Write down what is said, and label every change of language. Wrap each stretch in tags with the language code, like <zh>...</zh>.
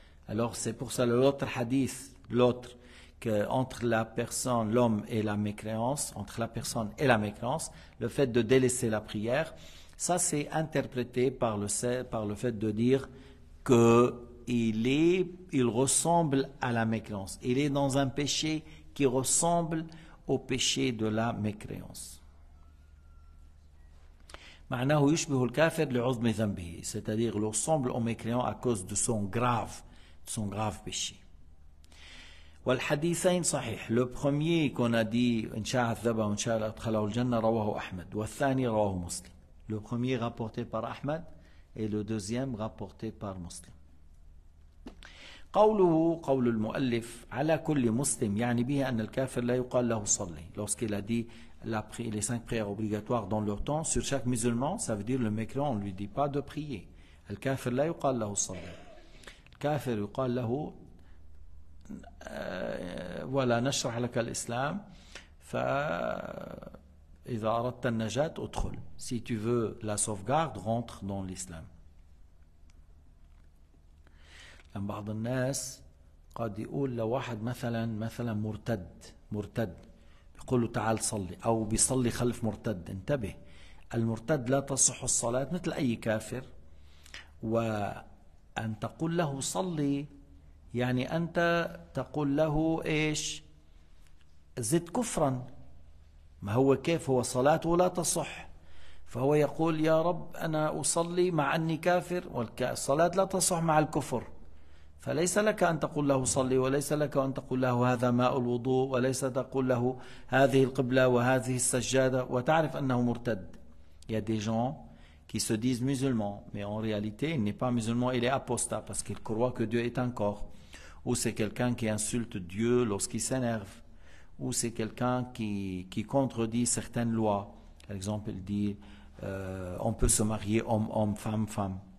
<fr>Alors c'est pour ça l'autre hadith, l'autre, qu'entre la personne, l'homme et la mécréance, entre la personne et la mécréance, le fait de délaisser la prière, ça c'est interprété par le fait de dire que il ressemble à la mécréance. Il est dans un péché qui ressemble au péché de la mécréance.</fr> <ar>معناه يشبه الكافر لعظم ذنبه.</ar> <fr>C'est-à-dire, il ressemble au mécréant à cause de son grave péché.</fr> <ar>والحديثين صحيح.</ar> <fr>Le premier qu'on a dit,</fr> <ar>إن شاء عذبه وإن شاء أدخله الجنة رواه أحمد. والثاني رواه مسلم.</ar> <fr>Le premier rapporté par Ahmed et le deuxième rapporté par Muslim.</fr> <ar>قوله قول المؤلف على كل مسلم يعني به أن الكافر لا يقال له صلي.</ar> <fr>Lorsqu'il a dit les cinq prières obligatoires dans leur temps sur chaque musulman, ça veut dire le mécréant, on ne lui dit pas de prier.</fr> <ar>الكافر لا يقال له صلي. الكافر يقال له voilà, نشرح لك الإسلام فإذا أردت النجاة ادخل.</ar> <fr>Si tu veux la sauvegarde, rentre dans l'islam.</fr> <ar>لما بعض الناس قد يقول لواحد مثلا مرتد بيقول له تعال صلي او بيصلي خلف مرتد. انتبه، المرتد لا تصح الصلاة مثل اي كافر، وان تقول له صلي يعني انت تقول له ايش؟ زد كفرا. ما هو كيف هو صلاته لا تصح، فهو يقول يا رب انا اصلي مع اني كافر، والصلاة لا تصح مع الكفر، فليس لك أن تقول له صلي، وليس لك أن تقول له هذا ماء الوضوء، وليس تقول له هذه القبلة وهذه السجادة، وتعرف أنه مرتد.</ar> <fr>Il y a des gens qui se disent musulmans, mais en réalité, il n'est pas musulman, il est apostat, parce qu'il croit que Dieu est un corps. Ou c'est quelqu'un qui insulte Dieu lorsqu'il s'énerve. Ou c'est quelqu'un qui contredit certaines lois. Par exemple, il dit, on peut se marier homme-homme, femme-femme.</fr>